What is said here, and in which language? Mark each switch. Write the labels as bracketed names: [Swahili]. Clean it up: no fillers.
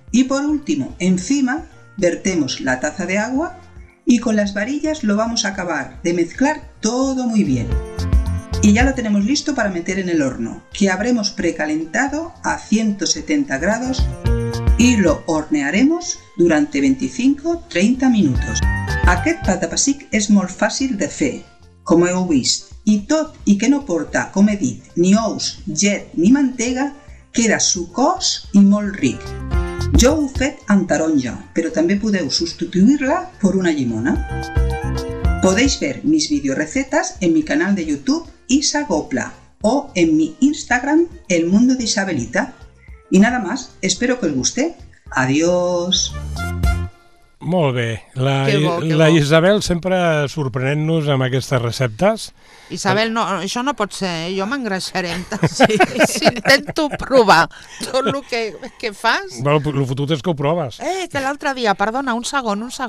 [Spanish] Y por último, encima, vertemos la taza de agua y con las varillas lo vamos a acabar de mezclar todo muy bien. Y ya lo tenemos listo para meter en el horno, que habremos precalentado a 170 grados y lo hornearemos durante 25-30 minutos. [Catalan] Aquest pa de pessic és molt fàcil de fer, com heu vist, i tot i que no porta, com he dit, ni ous, llet ni mantega, queda sucós i molt ric. Jo ho he fet amb taronja, però també podeu substituir-la per una llimona. [Spanish] Podeu veure mis videorecetes en mi canal de YouTube Isa Gopla o en mi Instagram El Mundo de Isabelita. I nada más, espero que us guste. Adiós! [Catalan] Molt bé. Isabel sempre sorprenent-nos amb aquestes receptes. Isabel, no, això no pot ser, eh? Jo m'engreixaré amb si intento provar tot el que fas. Bueno, el fotut és que ho proves. Que l'altre dia, perdona, un segon.